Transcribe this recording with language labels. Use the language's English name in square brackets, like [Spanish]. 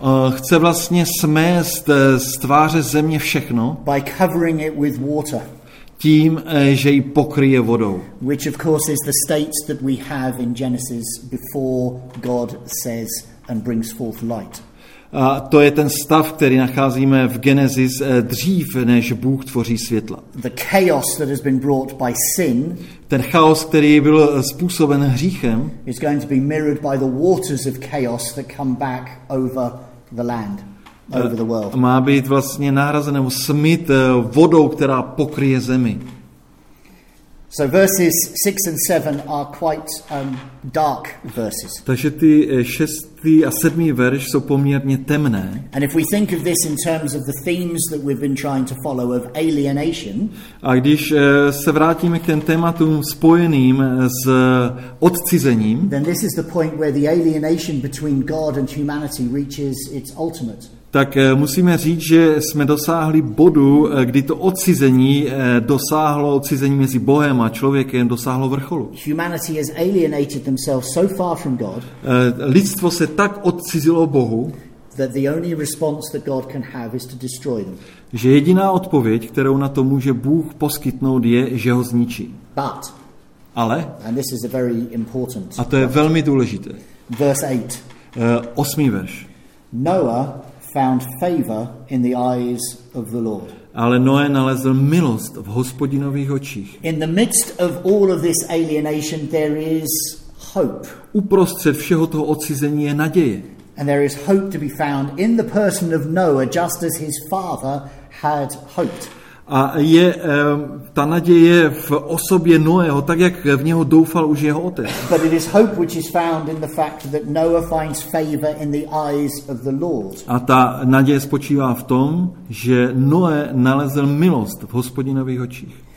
[Czech] Chce vlastně smést z tváře země všechno. [English] By covering it with water. [Czech] Tím, že ji pokryje vodou. [English] Which of course is the state that we have in Genesis before God says and brings forth light. [Czech] A to je ten stav, který nacházíme v Genesis dřív, než Bůh tvoří světla. [English] The chaos that has been brought by sin, [Czech] ten chaos, který byl způsoben hříchem, [English] is going to be mirrored by the waters of chaos that come back over the land, over the world. [Czech] Má být vlastně nahrazen nebo smyt vodou, která pokryje zemi. [English] So verses 6 and 7 are quite dark verses. [Czech] Takže ty 6. a 7. verš jsou poměrně temné. [English] And if we think of this in terms of the themes that we've been trying to follow of alienation. [Czech] A když se vrátíme k těm tématům spojeným s odcizením. [English] Then this is the point where the alienation between God and humanity reaches its ultimate. [Czech] Tak musíme říct, že jsme dosáhli bodu, kdy to odcizení mezi Bohem a člověkem dosáhlo vrcholu. [English] Humanity has alienated themselves so far from God. [Czech] Lidstvo se tak odcizilo Bohu, [English] that the only response that God can have is to destroy them. [Czech] Že jediná odpověď, kterou na to může Bůh poskytnout, je, že ho zničí. [English] But, [Czech] ale, [English] and this is a very important. [Czech] A to je velmi důležité. [English] Verse 8. [Czech] 8. verš. [English] Noah found favor in the eyes of the Lord. [Czech] Ale Noé nalezl milost v Hospodinových očích. [English] In the midst of all of this alienation there is hope. [Czech] Uprostřed všeho toho odcizení je naděje. [English] And there is hope to be found in the person of Noah, just as his father had hoped. [Czech] A je ta naděje v osobě Noého, tak jak v něho doufal už jeho otec. [English] But it is hope which is found in the fact that Noah finds favor in the eyes of the Lord. [Czech] A ta naděje spočívá v tom, že Noé nalezl milost v Hospodinových očích.